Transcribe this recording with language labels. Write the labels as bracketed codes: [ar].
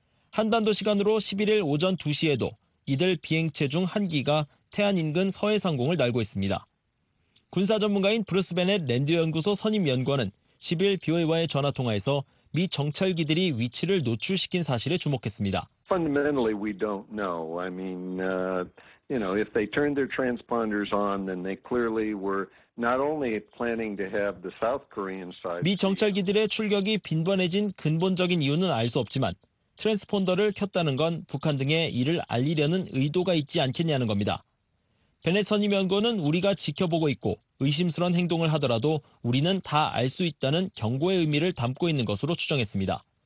[ko] 한반도 시간으로 11일 오전 2시에도 이들 비행체 중 한 기가 태안 인근 서해 상공을 날고 있습니다. 군사 전문가인 브루스 베넷 랜드 연구소 선임 연구원은 10일 BOA와의 전화 통화에서 미 정찰기들이 위치를 노출시킨 사실에 주목했습니다. [en] Fundamentally, we don't know. I mean, you know, if they turned their transponders on, then they clearly were not only planning to have the South Korean side. [ko] 미 정찰기들의 출격이 빈번해진 근본적인 이유는 알 수 없지만 트랜스폰더를 켰다는 건 북한 등에 이를 알리려는 의도가 있지 않겠냐는 겁니다. 베넷 선임 연구원은 우리가 지켜보고 있고 의심스러운 행동을 하더라도 우리는 다 알 수 있다는 경고의 의미를 담고 있는 것으로 추정했습니다.